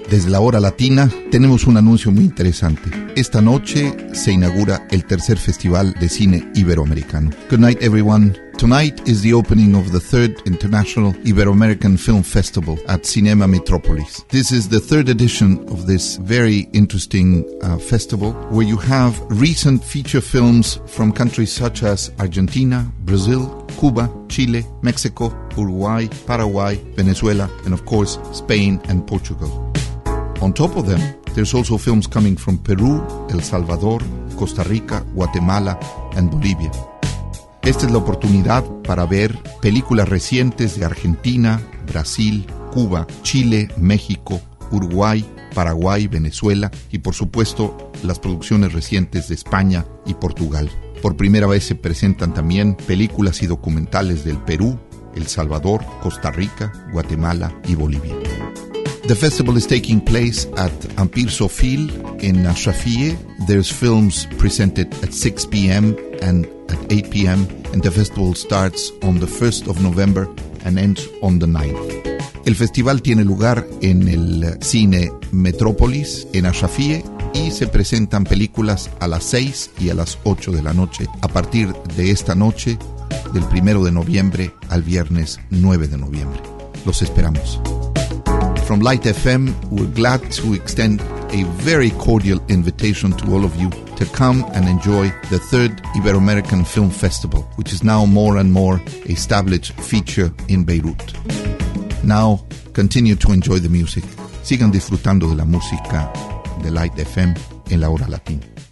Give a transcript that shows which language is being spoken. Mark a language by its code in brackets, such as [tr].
[es] Desde la Hora Latina tenemos un anuncio muy interesante. Esta noche se inaugura el tercer festival de cine iberoamericano. [en] Good night, everyone. Tonight is the opening of the third International Ibero-American Film Festival at Cinema Metropolis. This is the third edition of this very interesting festival, where you have recent feature films from countries such as Argentina, Brazil, Cuba, Chile, Mexico, Uruguay, Paraguay, Venezuela, and of course, Spain and Portugal. On top of them, there's also films coming from Peru, El Salvador, Costa Rica, Guatemala, and Bolivia. [es] Esta es la oportunidad para ver películas recientes de Argentina, Brasil, Cuba, Chile, México, Uruguay, Paraguay, Venezuela y, por supuesto, las producciones recientes de España y Portugal. Por primera vez se presentan también películas y documentales del Perú, El Salvador, Costa Rica, Guatemala y Bolivia. [en] The festival is taking place at Empire Sofil in Achafille. There's films presented at 6 p.m. and at 8 p.m. and the festival starts on the 1st of November and ends on the 9th. [es] El festival tiene lugar en el cine Metrópolis en Achafille y se presentan películas a las 6 y a las 8 de la noche a partir de esta noche del 1 de noviembre al viernes 9 de noviembre. Los esperamos. [en] From Light FM, we're glad to extend a very cordial invitation to all of you to come and enjoy the third Ibero-American Film Festival, which is now more and more established feature in Beirut. Now, continue to enjoy the music. [es] Sigan disfrutando de la música de Light FM en la Hora Latina.